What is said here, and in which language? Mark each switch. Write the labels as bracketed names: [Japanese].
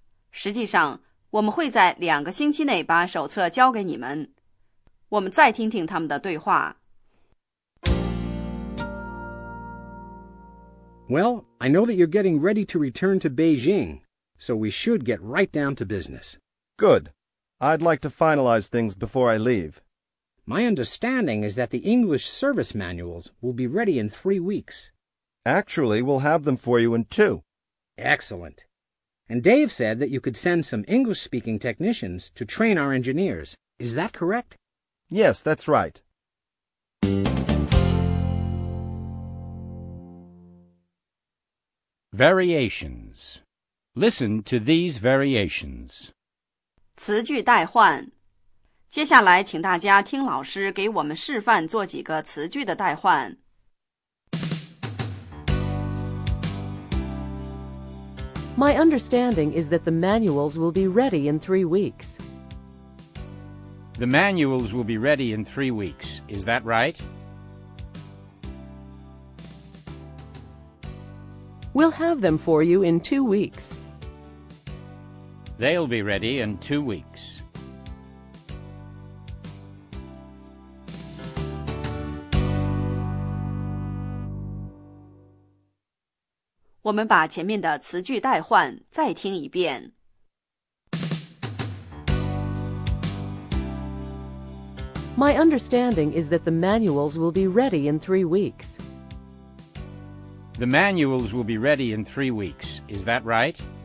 [Chinese] 实际上，我们会在2个星期内把手册交给你们。我们再听听他们的对话。 [English] Well, I know that you're getting ready to return to Beijing, so we should get right down to business. Good. I'd like to finalize things before I leave. My understanding is that the English service manuals will be ready in 3 weeks. Actually, we'll have them for you in 2. Excellent. And Dave said that you could send some English-speaking technicians to train our engineers. Is that correct? Yes, that's right. Variations. Listen to these variations. [Chinese] 词句代换。接下来请大家听老师给我们示范做几个词句的代换。 [English] My understanding is that the manuals will be ready in 3 weeks. The manuals will be ready in 3 weeks. Is that right? We'll have them for you in 2 weeks. They'll be ready in 2 weeks. [Chinese] 我们把前面的词句代换再听一遍。 [English] My understanding is that the manuals will be ready in 3 weeks. The manuals will be ready in 3 weeks. Is that right?